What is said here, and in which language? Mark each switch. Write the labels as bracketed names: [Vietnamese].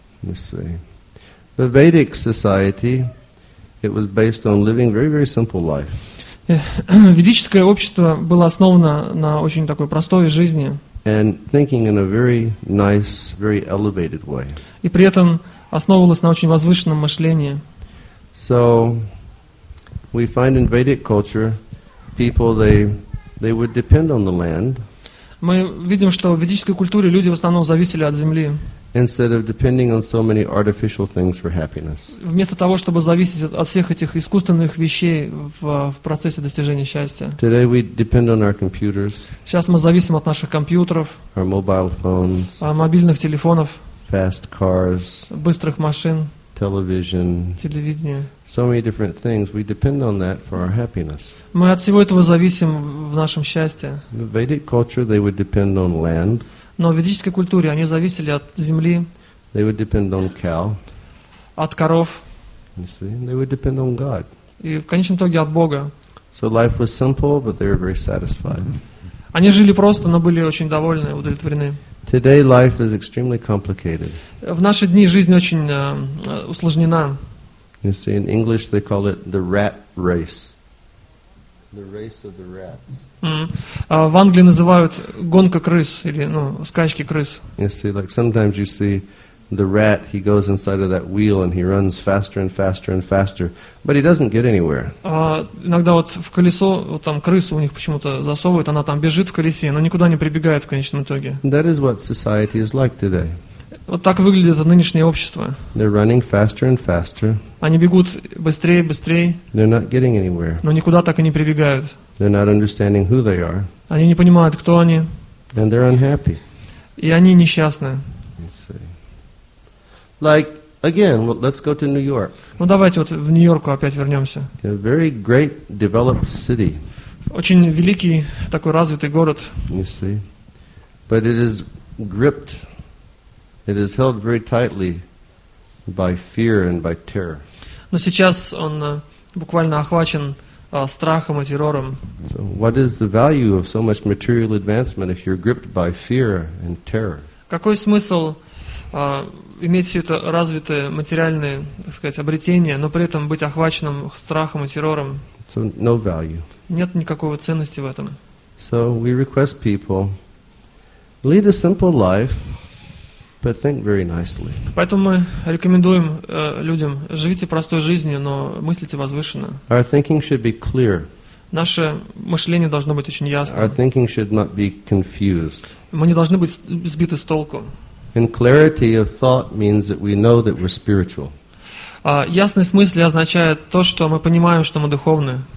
[English] You see, the Vedic society, it was based on living very very simple life. [Russian] Ведическое общество было основано на очень такой простой жизни. [English] And thinking in a very nice, very elevated way. [Russian] И при этом основывалось на очень возвышенном мышлении. [English] So, we find in Vedic culture, people, they would depend on the land. [Russian] Мы видим, что в ведической культуре люди в основном зависели от земли. [English] Instead of depending on so many artificial things for happiness. [Russian] Вместо того, чтобы зависеть от всех этих искусственных вещей в процессе достижения счастья. [English] Today we depend on our computers. [Russian] Сейчас мы зависим от наших компьютеров. [English] Our mobile phones. [Russian] Мобильных телефонов. [English] Fast cars. [Russian] Быстрых машин. [English] television, [Russian] телевидение. [English] So many different things. We depend on that for our happiness. [Russian] Мы от всего этого зависим в нашем счастье. [English] The Vedic culture, they would depend on land. [Russian] Но в ведической культуре они зависели от земли. [English] They would depend on cow. [Russian] От коров. [English] You see, they would depend on God. [Russian] И в конечном итоге от Бога. [English] So life was simple, but they were very satisfied. [Russian] Они жили просто, но были очень довольны, удовлетворены. [English] Today life is extremely complicated. [Russian] В наши дни жизнь очень усложнена. [English] You see, in English they call it the rat race. The race of the rats. [Russian] В Англии называют гонка крыс или скачки крыс. [English] You see, like sometimes you see the rat, he goes inside of that wheel and he runs faster and faster and faster, but he doesn't get anywhere. [Russian] Иногда вот в колесо вот там крысу у них почему-то засовывают, она там бежит в колесе, но никуда не прибегает в конечном итоге. [English] That is what society is like today. [Russian] Вот так выглядит нынешнее общество. [English] They're running faster and faster. [Russian] Они бегут быстрее и быстрее. [English] They're not getting anywhere. [Russian] Но никуда так и не прибегают. [English] They're not understanding who they are. [Russian] Они не понимают, кто они. [English] And they're unhappy. [Russian] И они несчастны. [English] Like again, well, let's go to New York. [Russian] Ну давайте вот в Нью-Йорку опять вернемся. [English] A very great developed city. [Russian] Очень великий такой развитый город. [English] You see, but it is gripped, it is held very tightly by fear and by terror. [Russian] Но сейчас он буквально охвачен страхом и террором. [English] So what is the value of so much material advancement if you're gripped by fear and terror? [Russian] Какой смысл иметь все это развитое материальное, так сказать, обретение, но при этом быть охваченным страхом и террором. [English] So, no value. [Russian] Нет никакой ценности в этом. [English] So we request people lead a simple life, but think very nicely. [Russian] Поэтому мы рекомендуем людям: живите простой жизнью, но мыслите возвышенно. [English] Our thinking should be clear. [Russian] Наше мышление должно быть очень ясным. [English] Our thinking should not be confused. [Russian] Мы не должны быть сбиты с толку. [English] And clarity of thought means that we know that we're spiritual. [Russian] Ясность мысли означает то, что мы понимаем, что мы духовны.